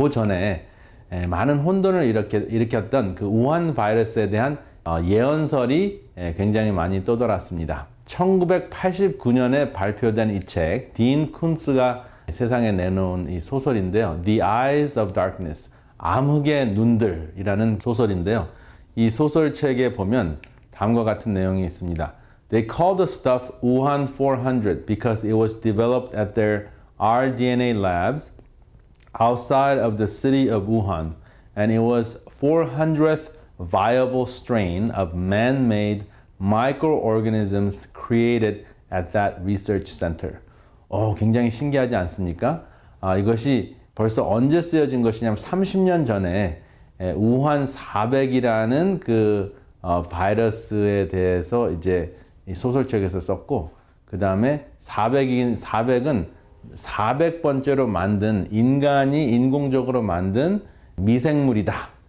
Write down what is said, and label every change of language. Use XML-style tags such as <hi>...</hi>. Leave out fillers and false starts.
<ko>그 전에 많은 혼돈을 일으켰던 그 우한 바이러스에 대한 예언설이 굉장히 많이 떠돌았습니다. 1989년에 발표된 이 책, 딘 쿤츠가 세상에 내놓은 이 소설인데요.</ko> <en>The Eyes of Darkness.</en> <ko>암흑의 눈들이라는 소설인데요. 이 소설책에 보면 다음과 같은 내용이 있습니다.</ko> <en>They call the stuff Wuhan 400 because it was developed at their RDNA labs outside of the city of Wuhan, and it was 400th viable strain of man-made microorganisms created at that research center.</en> <ko>굉장히 신기하지 않습니까? 이것이 벌써 언제 쓰여진 것이냐면 30년 전에 우한 400이라는 그 바이러스에 대해서 이제 이 소설책에서 썼고, 그 다음에 400은 400번째로 만든 인간이 인공적으로 만든 미생물이다.</ko>